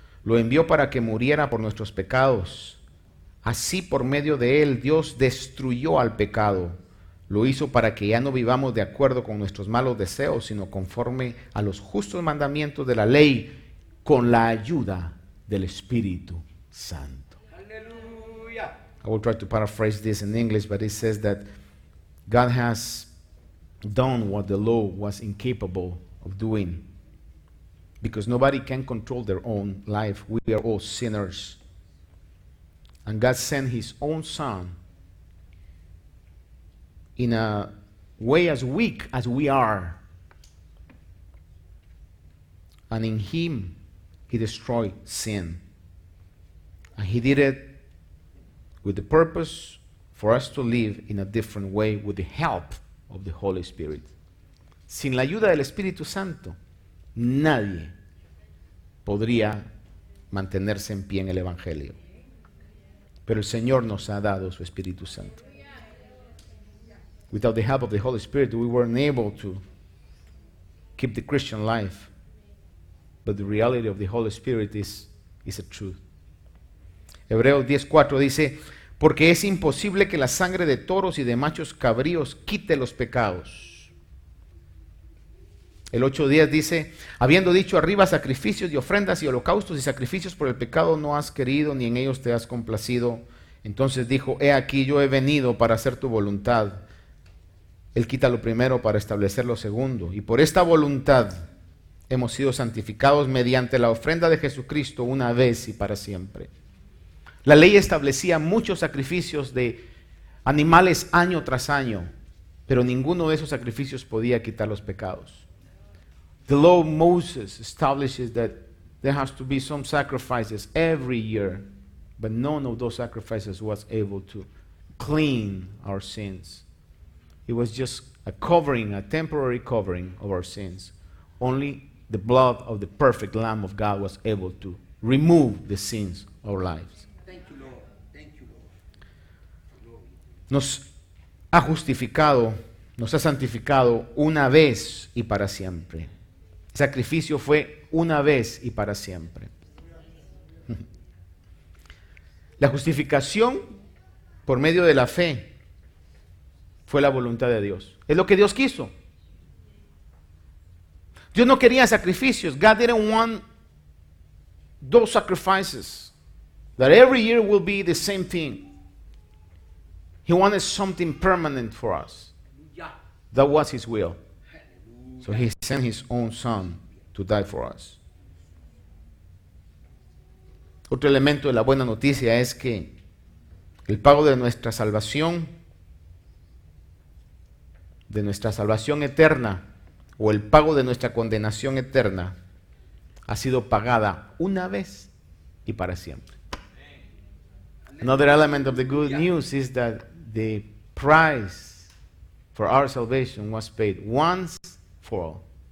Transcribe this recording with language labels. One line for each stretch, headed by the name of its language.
Spanish: Lo envió para que muriera por nuestros pecados. Así, por medio de él, Dios destruyó al pecado. Lo hizo para que ya no vivamos de acuerdo con nuestros malos deseos, sino conforme a los justos mandamientos de la ley, con la ayuda del Espíritu Santo. Aleluya.
English: I will try to paraphrase this in English, but it says that God has done what the law was incapable of doing. Because nobody can control their own life. We are all sinners. And God sent his own Son in a way as weak as we are. And in him, he destroyed sin. And he did it with the purpose for us to live in a different way with the help of the Holy Spirit.
Spanish: Sin la ayuda del Espíritu Santo, nadie podría mantenerse en pie en el Evangelio. Pero el Señor nos ha dado su Espíritu Santo.
English: Without the help of the Holy Spirit, we weren't able to keep the Christian life. But the reality of the Holy Spirit is a truth.
Spanish: Hebreos 10:4 dice, porque es imposible que la sangre de toros y de machos cabríos quite los pecados. El 8:10 dice, habiendo dicho arriba sacrificios y ofrendas y holocaustos y sacrificios por el pecado no has querido ni en ellos te has complacido. Entonces dijo, he aquí yo he venido para hacer tu voluntad. Él quita lo primero para establecer lo segundo. Y por esta voluntad hemos sido santificados mediante la ofrenda de Jesucristo una vez y para siempre. La ley establecía muchos sacrificios de animales año tras año, pero ninguno de esos sacrificios podía quitar los pecados.
English: The law of Moses establishes that there has to be some sacrifices every year, but none of those sacrifices was able to clean our sins. It was just a covering, a temporary covering of our sins. Only the blood of the perfect Lamb of God was able to remove the sins of our lives. Thank you, Lord. Thank you, Lord.
Spanish: Nos ha justificado, nos ha santificado una vez y para siempre. El sacrificio fue una vez y para siempre. La justificación por medio de la fe fue la voluntad de Dios. Es lo que Dios quiso. Dios no quería sacrificios.
English: God didn't want those sacrifices that every year will be the same thing. He wanted something permanent for us. That was his will. So he sent his own son to die for us.
Spanish: Otro elemento de la buena noticia es que el pago de nuestra salvación, de nuestra salvación eterna, o el pago de nuestra condenación eterna, ha sido pagada una vez y para siempre.
English: Another element of the good news is that the price For our salvation was paid once for all.